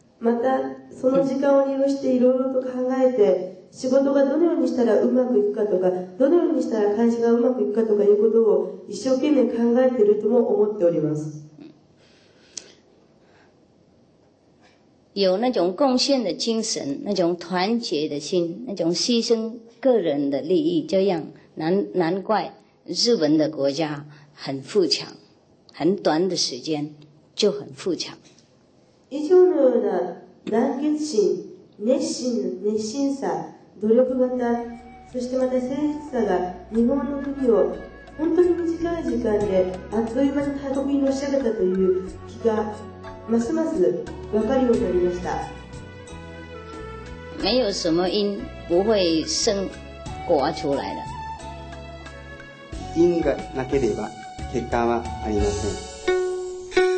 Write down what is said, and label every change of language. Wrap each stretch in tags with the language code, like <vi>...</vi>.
<ja>またその時間を利用していろいろと考えて。仕事がどのようにしたらうまくいくかとか、どのようにしたら会社がうまくいくかとかいうことを一生懸命考えているとも思っております。</ja> <zh>有那种贡献的精神，那种团结的心，那种牺牲个人的利益，这样难怪日本的国家很富强，很短的时间就很富强。</zh> <ja>以上のような団結心、熱心さ。努力型、そしてまた誠実さが日本の国を本当に短い時間であっという間に他国に押し上げたという気がますます分かるようになりました。</ja> <zh>没有什么因不会生果出来的。</zh> <ja>因がなければ結果はありません。</ja>